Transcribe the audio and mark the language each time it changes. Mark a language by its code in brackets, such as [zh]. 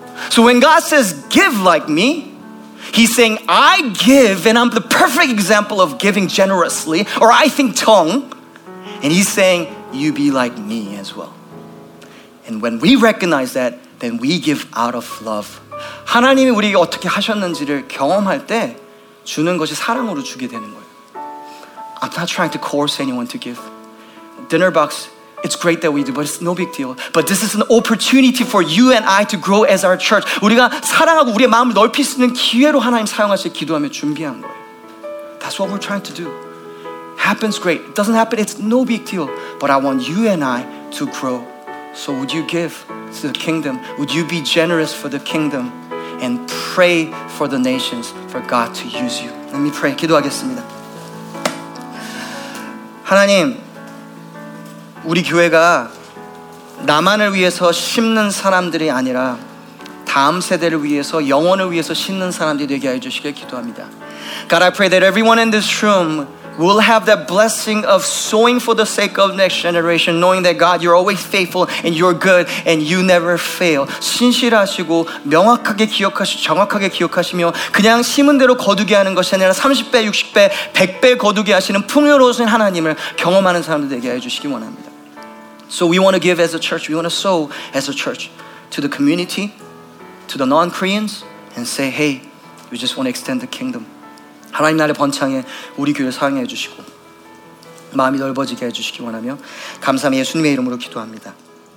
[en] So when God says give like me, He's saying I give and I'm the perfect example of giving generously, or I think tong, and He's saying you be like me as well. And when we recognize that, then we give out of love. [ko] 하나님이 우리 어떻게 하셨는지를 경험할 때 주는 것이 사랑으로 주게 되는 거예요. [en] I'm not trying to coerce anyone to give. Dinner box, it's great that we do, but it's no big deal. But this is an opportunity for you and I to grow as our church. [ko] 우리가 사랑하고 우리의 마음을 넓힐 수 있는 기회로 하나님 사용하실 기도하며 준비한 거예요. [en] That's what we're trying to do. Happens, great. It doesn't happen, it's no big deal. But I want you and I to grow. So would you give to the kingdom? Would you be generous for the kingdom? And pray for the nations for God to use you. Let me pray. [ko] 기도하겠습니다. 하나님, 우리 교회가 나만을 위해서 심는 사람들이 아니라 다음 세대를 위해서 영혼을 위해서 심는 사람들이 되게 하여 주시길 기도합니다. [en] God, I pray that everyone in this room will have that blessing of sowing for the sake of next generation, knowing that God, you're always faithful and you're good and you never fail. [ko] 신실하시고 명확하게 기억하시, 정확하게 기억하시며 그냥 심은 대로 거두게 하는 것이 아니라 30배, 60배, 100배 거두게 하시는 풍요로우신 하나님을 경험하는 사람들 되게 해주시기 원합니다. [en] So we want to give as a church, we want to sow as a church to the community, to the non-Koreans, and say, hey, we just want to extend the kingdom. [ko] 하나님 나라의 번창에 우리 교회를 사용해 주시고 마음이 넓어지게 해 주시기 원하며 감사함 예수님의 이름으로 기도합니다.